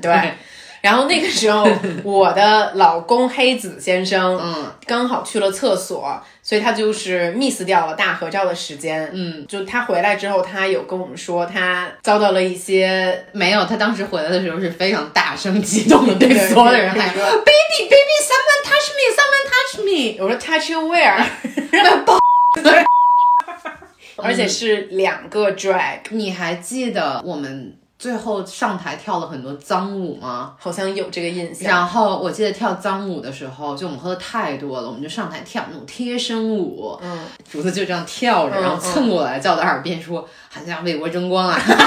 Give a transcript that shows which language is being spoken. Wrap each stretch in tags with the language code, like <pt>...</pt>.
<zh>对，然后那个时候我的老公黑子先生刚好去了厕所，所以他就是 miss 掉了大合照的时间。嗯，就他回来之后他有跟我们说他遭到了一些，没有，他当时回来的时候是非常大声激动的，对所有的人还说</zh> <en>baby baby someone touch me</en> <zh>someone touch me，我说</zh> <en>touch you where。</en> <zh>而且是两个 drag。你还记得我们最后上台跳了很多脏舞吗？好像有这个印象。然后我记得跳脏舞的时候，就我们喝的太多了，我们就上台跳那种贴身舞。嗯，竹子就这样跳着，然后蹭过来，在我的耳边说：“好像为国争光啊。</zh>